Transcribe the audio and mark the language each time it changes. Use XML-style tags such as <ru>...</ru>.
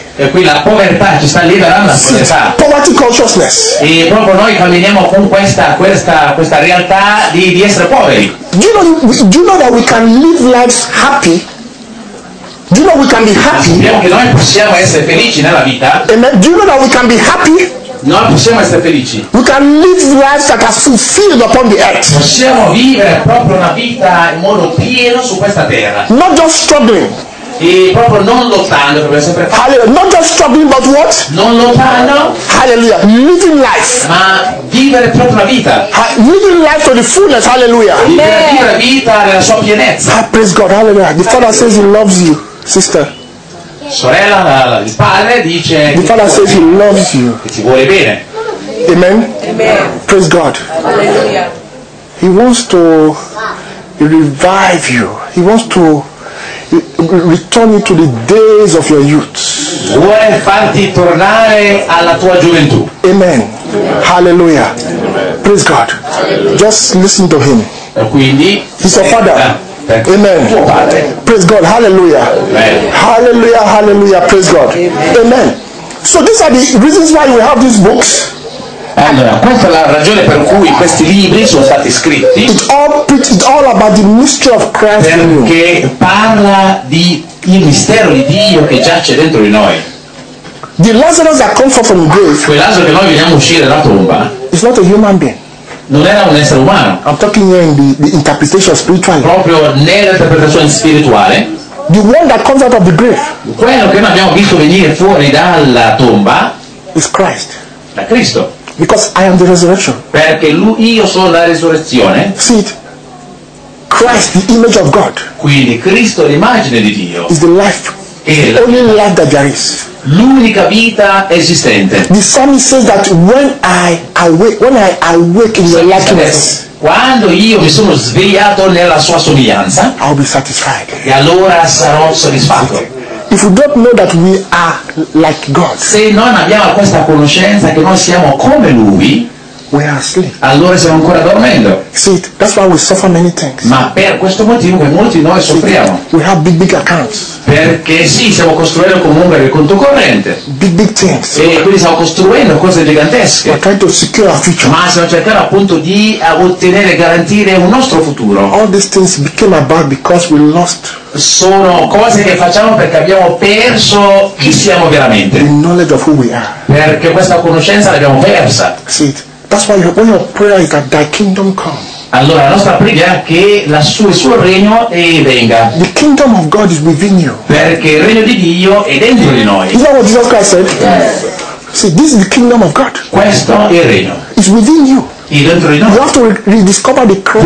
<it>E qui la povertà ci sta liberando la povertà.</it> <en>Poverty consciousness.</en> <it>E proprio noi camminiamo con questa realtà di essere poveri.</it> <en>Do you know that we can live lives happy? Do you know we can be happy?</en> <it>Sappiamo che noi possiamo essere felici nella vita.</it> <en>Amen. Do you know that we can be happy?</en> <it>Noi possiamo essere felici.</it> <en>We can live lives that are fulfilled upon the earth.</en> <it>Possiamo vivere proprio una vita in modo pieno su questa terra.</it> <en>Not just struggling.</en> <it>E proprio non lottando per essere felici.</it> <en>Hallelujah. Not just struggling, but what?</en> <it>Non lottando.</it> <en>Hallelujah. Living life.</en> <it>Ma vivere proprio la vita.</it> <en>Living life to the fullness. Hallelujah.</en> <it>Vivere la vita nella sua pienezza.</it> <en>Praise God. Hallelujah. The Father says He loves you, sister.</en> <it>Sorella, il padre dice.</it> <en>The Father says He loves you.</en> <it>E ti vuole bene.</it> <en>Amen. Amen. Praise God. Hallelujah. He wants to revive you. He wants to return you to the days of your youth.</en> <it>Vuole farti tornare alla tua gioventù.</it> <en>Amen. Amen. Hallelujah. Amen. Praise God. Hallelujah. Just listen to Him.</en> <it>E quindi.</it> <en>He's your Father. Amen. Praise God. Hallelujah. Amen. Hallelujah. Hallelujah. Praise God. Amen. Amen. So these are the reasons why we have these books.</en> <it>Allora, questa è la ragione per cui questi libri sono stati scritti.</it> <en>It's all about the mystery of Christ.</en> <it>Perché parla di il mistero di Dio che giace dentro di noi.</it> <en>The Lazarus that comes from the grave.</en> <it>Quel Lazaro che noi veniamo uscire dalla tomba.</it> <en>It's not a human being.</en> <it>Non era un essere umano.</it> <en>I'm talking here in the interpretation spiritually.</en> <it>Proprio nell'interpretazione spirituale.</it> <en>The one that comes out of the grave.</en> <it>Quello che noi abbiamo visto venire fuori dalla tomba.</it> <en>Is Christ.</en> <it>Da Cristo.</it> <en>Because I am the resurrection.</en> <it>Perché io sono la risurrezione.</it> <en>See it. Christ, the image of God.</en> <it>Quindi Cristo, l'immagine di Dio.</it> <en>Is the life. The only life that there is.</en> <it>L'unica vita esistente.</it> <en>The psalmist says that when I awake in your likeness.</en> <it>Quando io mi sono svegliato nella sua somiglianza.</it> <en>I'll be satisfied.</en> <it>E allora sarò soddisfatto.</it> <en>If we don't know that we are like God.</en> <it>Se non abbiamo questa conoscenza che noi siamo come Lui.</it> <en>We are asleep.</en> <it>Allora stiamo ancora dormendo.</it> <en>See, that's why we suffer many things.</en> <it>Ma per questo motivo che molti di noi soffriamo.</it> <en>We have big accounts.</en> <it>Perché sì, stiamo costruendo con numeri il conto corrente.</it> <en>Big things.</en> <it>E quindi stiamo costruendo cose gigantesche.</it> <en>We're trying to secure our future.</en> <it>Ma stiamo cercando appunto di ottenere, garantire un nostro futuro.</it> <en>All these things became about because we lost.</en> <it>Sono cose che facciamo perché abbiamo perso chi siamo veramente.</it> <en>The knowledge of who we are.</en> <it>Perché questa conoscenza l'abbiamo persa.</it> <en>See it. That's why when your prayer is that thy kingdom come.</en> <it>Allora la nostra preghiera è che il suo regno e venga.</it> <en>The kingdom of God is within you.</en> <it>Perché il regno di Dio è dentro di noi.</it> <en>You know what Jesus Christ said? Yes. See, this is the kingdom of God.</en> <it>Questo è il regno.</it> <en>It's within you.</en> <it>È dentro di noi.</it> <en>You have to rediscover the Christ.</en>